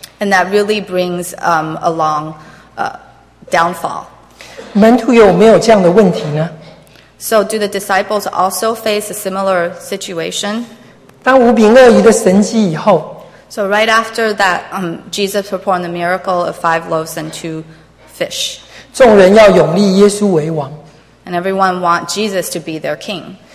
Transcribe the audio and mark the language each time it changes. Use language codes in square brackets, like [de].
[en] And that really brings along downfall. [zh] 门徒有没有这样的问题呢？ [en] So do the disciples also face a similar situation? [zh] 当五饼二鱼的神迹以后， [en] So right after that, Jesus performed the miracle of 5 loaves and 2 fish. [zh] 众人要拥立耶稣为王。 [en] And everyone want Jesus to be their king.